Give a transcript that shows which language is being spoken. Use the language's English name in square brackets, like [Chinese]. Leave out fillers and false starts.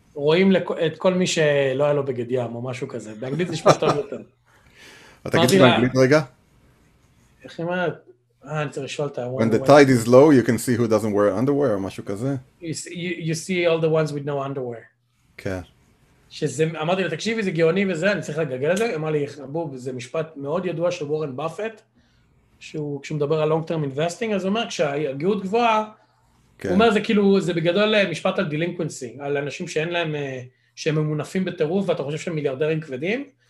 [Hebrew] רואים את כל מי שלא היה לו בגד ים או משהו כזה. באנגלית זה שפשוט טוב יותר. אתה תגיד באנגלית רגע? איך היא אומרת? אני צריך לשאול את האמור. [English] When the tide is low, you can see who doesn't wear underwear [Hebrew] או משהו כזה. [English] You see all the ones with no underwear. [Hebrew] כן. אמרתי לה, תקשיבי, זה גאוני וזה, אני צריך לגגל את זה. אמר לי, בוב, זה משפט מאוד ידוע של וורן באפט, כשהוא מדבר על [English] long term investing, [Hebrew] אז הוא אומר, כשהגיעות גבוהה, כן. הוא אומר, זה כאילו, זה בגדול משפט על דלינקוונסי, על אנשים שאין להם, שהם ממונפים בטירוף, ואתה חושב שהם מיליארדרים כבדים?